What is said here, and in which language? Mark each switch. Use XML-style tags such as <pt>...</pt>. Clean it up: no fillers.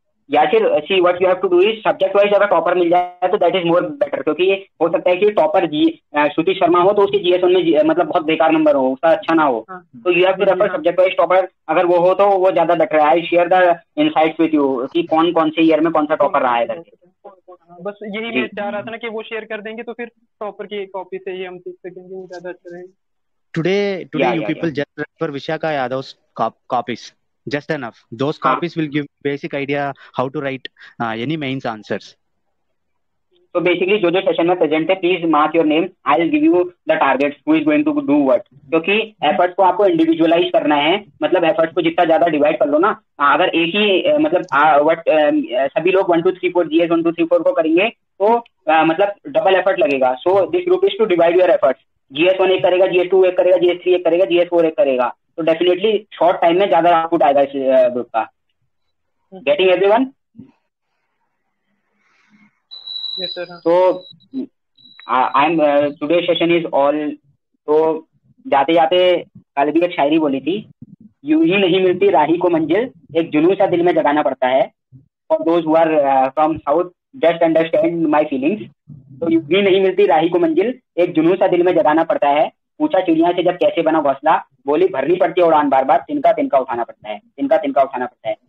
<hi>या फिर see</hi> <en>what you have to do</en> <hi>is subject wise अगर टॉपर मिल जाए तो</hi> <en>that is more better,</en> <hi>क्योंकि हो सकता है कि टॉपर जी श्रुति शर्मा हो तो उसके जीएस में मतलब बहुत बेकार नंबर हो, उसका अच्छा ना हो, तो</hi> <en>you have to refer</en> <hi>subject wise topper, अगर वो हो तो वो ज्यादा बेटर है।</hi> <en>I share the insights with you</en> <hi>कि कौन कौन से ईयर में कौन सा टॉपर रहा है इधर, बस यही मैं चाह रहा था ना कि वो शेयर कर देंगे तो फिर टॉपर की कॉपी से ही हम सीख सकेंगे ज्यादा अच्छा रहेगा।</hi> <en>Today you people just refer Vishakha Yadav's copies, just enough. Those copies will give basic idea how to write any mains answers. So basically,</en> <hi>jo jo session mein present hai,</hi> <en>please mark your name. I'll give you the targets. Who is going to do what?</en> <hi>क्योंकि efforts को आपको individualize करना है, मतलब efforts को जितना ज्यादा divide कर लो ना, अगर एक ही मतलब सभी लोग 1 2 3 4 GS 1 2 3 4 को करेंगे तो मतलब double effort लगेगा.</hi> <en>So this group is to divide your efforts.</en> <hi>GS1 एक करेगा, GS2 एक करेगा, GS3 एक करेगा, GS4 एक करेगा, तो डेफिनेटली शॉर्ट टाइम में ज्यादा आउटपुट आएगा इस ग्रुप का।</hi> <en>Getting everyone?</en> <hi>तो</hi> <en>I am today session is all,</en> <hi>तो जाते जाते कल भी एक शायरी बोली थी, यूं ही नहीं मिलती राही को मंजिल, एक जुनून सा दिल में जगाना पड़ता है,</hi> <en>for those who are from south just understand my feelings,</en> <hi>तो भी नहीं मिलती राही को मंजिल, एक जुनून सा दिल में जगाना पड़ता है, पूछा चिड़िया से जब कैसे बना घोंसला, बोली भरनी पड़ती है उड़ान बार बार, तिनका तिनका उठाना पड़ता है, तिनका तिनका उठाना पड़ता है।</hi>